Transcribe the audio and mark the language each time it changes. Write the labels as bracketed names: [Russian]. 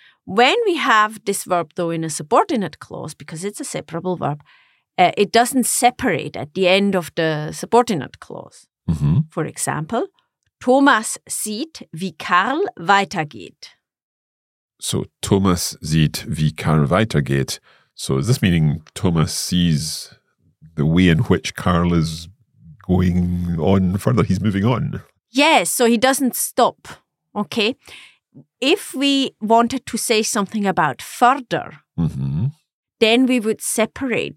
[English] When we have this verb though in a subordinate clause, because it's a separable verb, it doesn't separate at the end of the subordinate clause. Mm-hmm. For example, [German] Thomas sieht, wie Karl weitergeht. So, Thomas sieht, wie Karl weitergeht. [English] So is this meaning Thomas sees the way in which Karl is going on further? He's moving on. Yes, so he doesn't stop Okay. If we wanted to say something about further, then we would separate.